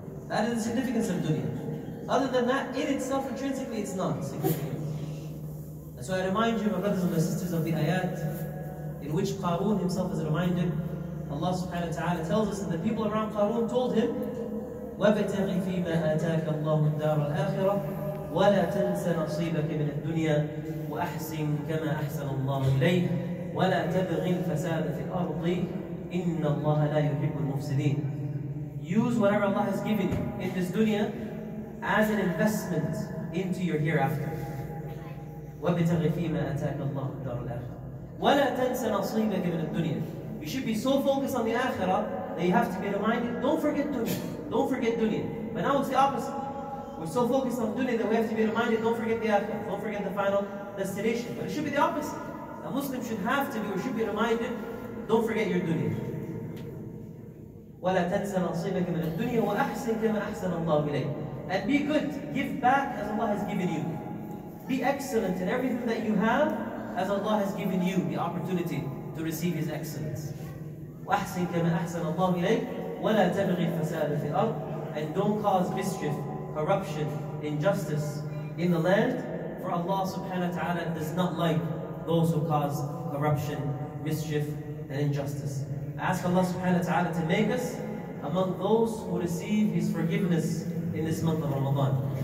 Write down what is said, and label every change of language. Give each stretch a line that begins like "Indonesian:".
English: That is the significance of dunya. Other than that, in itself, intrinsically, it's not significant. And so I remind you, my brothers and my sisters, of the ayat in which Qarun himself is reminded. Allah subhanahu wa ta'ala tells us that the people around Qarun told him,
Arabic: وَابْتَغِ فِيمَا آتَاكَ اللَّهُ الدَّارَ الْآخِرَةِ ولا تنس نصيبك من الدنيا، وأحسن كما أحسن الله إليك، ولا تبغ الفساد في الأرض، إن الله لا يحب المفسدين.
English: Use whatever Allah has given you in this dunya as an investment into your hereafter.
Arabic: وابتغ فيما أتاك الله الدار الآخرة. ولا تنس نصيبك من الدنيا.
English: You should be so focused on the akhirah that you have to be reminded, don't forget dunya, don't forget dunya. But now it's the opposite. We're so focused on dunya that we have to be reminded, don't forget the akhirah, don't forget the final destination. But it should be the opposite. A Muslim should have to be, or should be reminded, don't forget your dunya.
Arabic: ولا تنس نصيبك من الدنيا وأحسن كما أحسن الله إليك.
English: And be good, give back as Allah has given you. Be excellent in everything that you have as Allah has given you the opportunity to receive His excellence.
Arabic: وأحسن كما أحسن الله إليك ولا تبغي الفساد في الأرض.
English: And don't cause mischief, corruption, injustice in the land, for Allah subhanahu wa ta'ala does not like those who cause corruption, mischief, and injustice. I ask Allah subhanahu wa ta'ala to make us among those who receive His forgiveness in this month of Ramadan.